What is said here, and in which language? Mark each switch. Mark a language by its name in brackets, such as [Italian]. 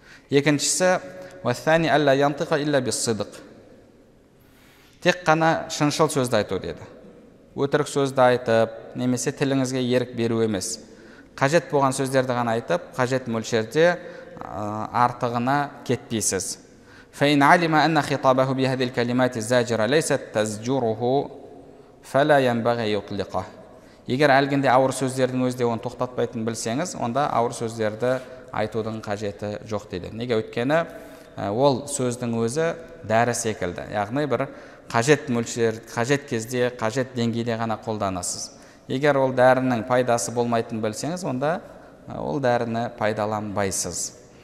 [Kazakh] Екіншісі, [Arabic] «Васани алла янтыға илля биссыдық». [Kazakh] Тек қана шыншыл сөзді айту дейді. Өтірік сөзді айтып, немесе тіліңізге ерік беру емес. Қажет болған сөздерді ғана айтып, қажет мөлшерде артығына кетпейсіз. [Arabic] فإن علم أن خطابه بهذه الكلمات الزاجرة ليست تزجره فلا ينبغي يطلقه. [Kazakh] Егер әлгінде ауыр сөздердің өзінде оны тоқтатпайтынын білсеңіз, онда ауыр сөздерді айтудың қажеті жоқ дейді. Неге? Өйткені ол сөздің өзі дәрі секілді. Яғни бір қажет мөлшер, қажет кезде, қажет деңгейде ғана қолданасыз. Егер ол дәрінің пайдасы болмайтынын білсеңіз, онда ол дәріні пайдаланбайсыз.